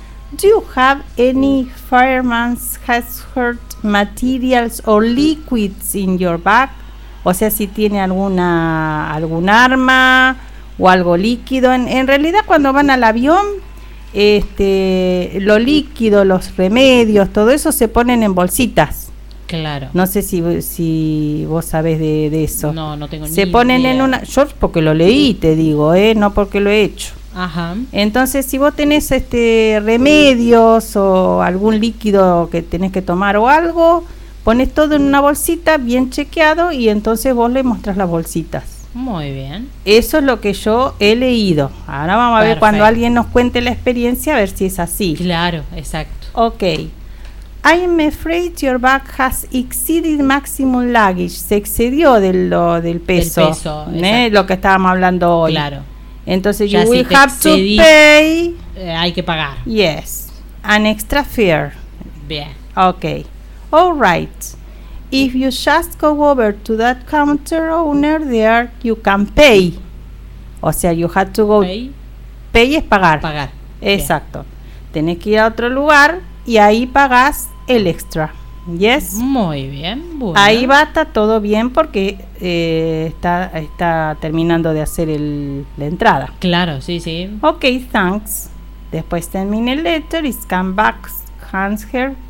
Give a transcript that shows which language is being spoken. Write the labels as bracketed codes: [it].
[en] Do you have any fireman's hazard materials or liquids in your bag? [es] O sea, si tiene algún arma o algo líquido. En realidad, cuando van al avión, lo líquido, los remedios, todo eso se ponen en bolsitas. Claro. No sé si vos sabés de eso. No, no tengo ni idea. Se ponen en una... Yo porque lo leí, te digo, no porque lo he hecho. Ajá. Entonces, si vos tenés remedios o algún líquido que tenés que tomar o algo, pones todo en una bolsita bien chequeado y entonces vos le mostrás las bolsitas. Muy bien. Eso es lo que yo he leído. Ahora vamos a ver cuando alguien nos cuente la experiencia, a ver si es así. Claro, exacto. [en] Ok. I am afraid your bag has exceeded maximum luggage. [es] Se excedió del peso. Del peso, lo que estábamos hablando hoy. Claro. Entonces, [en] you will have to pay. [es] Hay que pagar. [en] Yes. An extra fare. [es] Bien. [en] Ok. All right. If you just go over to that counter owner there, you can pay. [es] O sea, [en] you have to go... Pay [es] es pagar. Pagar. Exacto. Bien. Tenés que ir a otro lugar y ahí pagás el extra. [en] ¿Yes? [es] Muy bien. Bueno. Ahí va, está todo bien porque está terminando de hacer la entrada. Claro, sí. [en] Ok, thanks. [es] Después termine el [en] letter, it's come back, hands here.